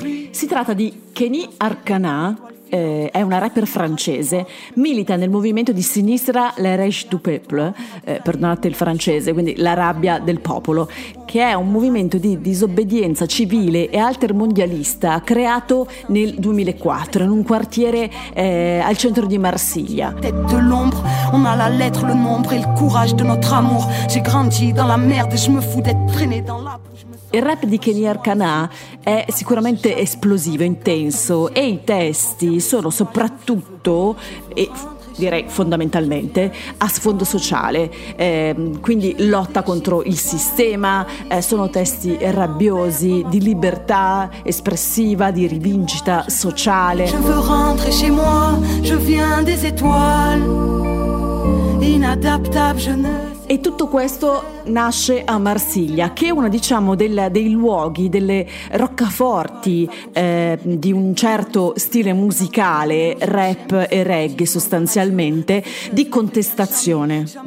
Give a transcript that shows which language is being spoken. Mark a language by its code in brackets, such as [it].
[it] Si tratta di Kenny Arcana, è una rapper francese, milita nel movimento di sinistra Le Rage du Peuple, perdonate il francese, quindi la rabbia del popolo, che è un movimento di disobbedienza civile e altermondialista creato nel 2004 in un quartiere al centro di Marsiglia. [fr] On a la lettre, le nombre et le courage de notre amour. J'ai grandi dans la [it] merde, je me fous d'être traîné dans la Il rap di Kenny Arcana è sicuramente esplosivo, intenso, e i testi sono soprattutto, e direi fondamentalmente, a sfondo sociale, quindi lotta contro il sistema, sono testi rabbiosi, di libertà espressiva, di rivincita sociale. [fr] Je veux rentrer chez moi, je viens des étoiles, inadaptable je ne... [it] E tutto questo nasce a Marsiglia, che è uno, diciamo, dei luoghi, delle roccaforti di un certo stile musicale, rap e reggae sostanzialmente, di contestazione.